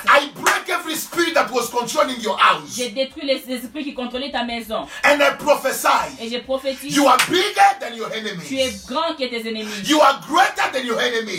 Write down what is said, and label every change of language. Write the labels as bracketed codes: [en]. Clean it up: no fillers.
[en] I break every spirit that was controlling your house. [fr] Je détruis les esprits qui contrôlaient ta maison. [en] And I prophesy. [fr] Et je prophétise. [en] You are bigger than your enemies. [fr] Tu es grand que tes ennemis. [en] You are greater than your enemies.